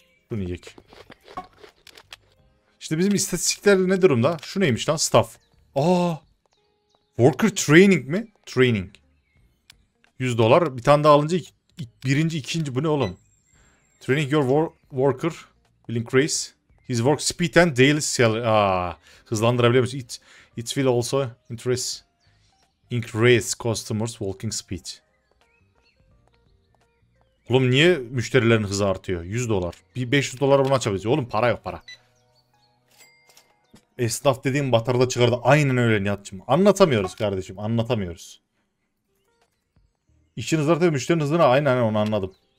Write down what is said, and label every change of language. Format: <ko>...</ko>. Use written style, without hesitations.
<tr>Bunu yiyek. İşte bizim istatistikler ne durumda? Şu neymiş lan? Staff. Aa! Worker training mi? Training. 100 dolar. Bir tane daha alınca birinci, ikinci. Bu ne oğlum?</tr> <en>Training your worker will increase his work speed and daily salary.</en> <tr>Aa, hızlandırabilir misin?</tr> <en>It will also increase customers walking speed.</en> <tr>Oğlum niye müşterilerin hızı artıyor? 100 dolar. Bir 500 dolara bunu açabiliriz. Oğlum para yok para. Esnaf dediğim batarda çıkardı. Aynen öyle Nihat'cığım. Anlatamıyoruz kardeşim. Anlatamıyoruz. İşin hızı artıyor. Müşterinin hızını aynen onu anladım.</tr>